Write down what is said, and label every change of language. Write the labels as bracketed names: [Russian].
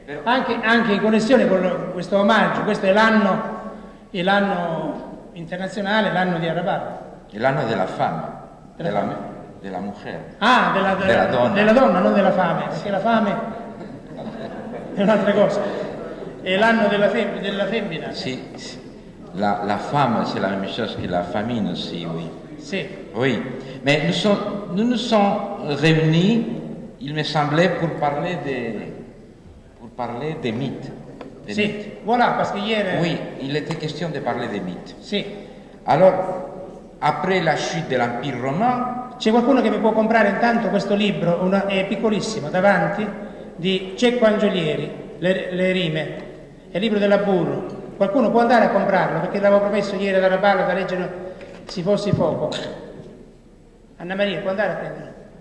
[Italian] Però, anche in connessione con questo omaggio, questo è l'anno internazionale, l'anno di Araballo. È l'anno della fame, della mujer. Ah, della donna. Della donna, non della fame, perché la fame è un'altra cosa. È l'anno della femmina. Sì, sì. [French] La fame, c'est la même chose que la famine aussi, oui. [Italian] Sì. [French] Oui. Mais nous nous sommes réunis, il me semblait, pour parler de... parler des mythes. Des sì, mythes. Voilà, parce que hier... Oui, il était question de parler des mythes. [Italian] Sì. [French] Alors, après la chute de l'Empire romain... [Italian] C'è qualcuno che mi può comprare intanto questo libro, è piccolissimo, davanti, di Cecco Angiolieri, le rime, è il libro della Burro. Qualcuno può andare a comprarlo, perché l'avevo promesso ieri alla Raballa da leggere Si fossi fuoco. Anna Maria, può andare a prenderlo?